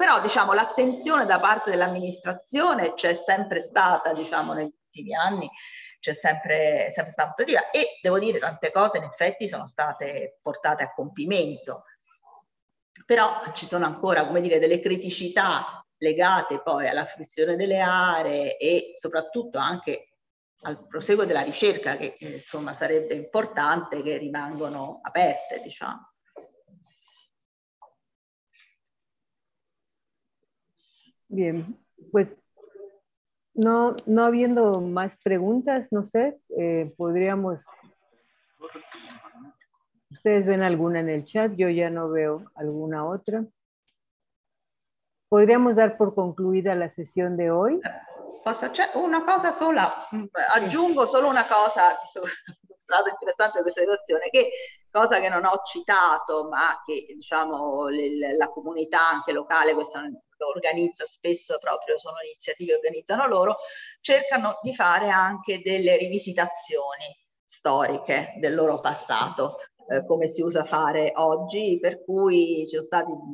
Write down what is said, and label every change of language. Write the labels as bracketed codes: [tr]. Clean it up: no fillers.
[it] Però diciamo l'attenzione da parte dell'amministrazione c'è sempre stata, diciamo, negli ultimi anni c'è sempre stata attiva, e devo dire tante cose in effetti sono state portate a compimento, però ci sono ancora, come dire, delle criticità legate poi alla fruizione delle aree e soprattutto anche al proseguo della ricerca, che insomma sarebbe importante, che rimangono aperte, diciamo. [es] Bien, pues no, no habiendo más preguntas, no sé, podríamos, ustedes ven alguna en el chat, yo ya no veo alguna otra. Podríamos dar por concluida la sesión de hoy. [it] C'è una cosa sola, aggiungo solo una cosa, trovo interessante questa situazione, che cosa che non ho citato, ma che diciamo la comunità anche locale, questa lo organizza spesso, proprio sono iniziative che organizzano loro, cercano di fare anche delle rivisitazioni storiche del loro passato, come si usa fare oggi, per cui ci sono stati